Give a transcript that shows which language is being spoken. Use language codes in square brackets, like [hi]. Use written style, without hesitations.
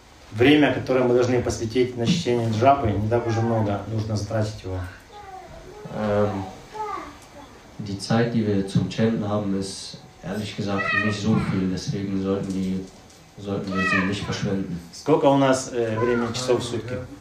[ru] Время, которое мы должны посвятить на чтение джапы, не так уже много, нужно затратить его. [de] Die Zeit, die wir zum Chanten haben, ist ehrlich gesagt nicht so viel, deswegen sollten wir sie nicht verschwenden. [ru] Сколько у нас времени часов в сутки?